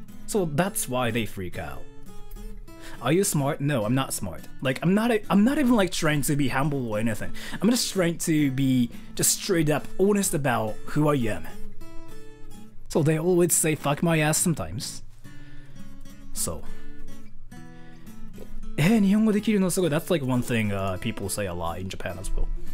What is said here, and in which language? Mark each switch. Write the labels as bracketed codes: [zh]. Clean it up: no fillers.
[en] So that's why they freak out. Are you smart? No, I'm not smart. Like, I'm not even like trying to be humble or anything. I'm just trying to be just straight up honest about who I am. So they always say fuck my ass sometimes. [ja] So え、日本語できるのすごい. [en] That's like one thing people say a lot in Japan as well.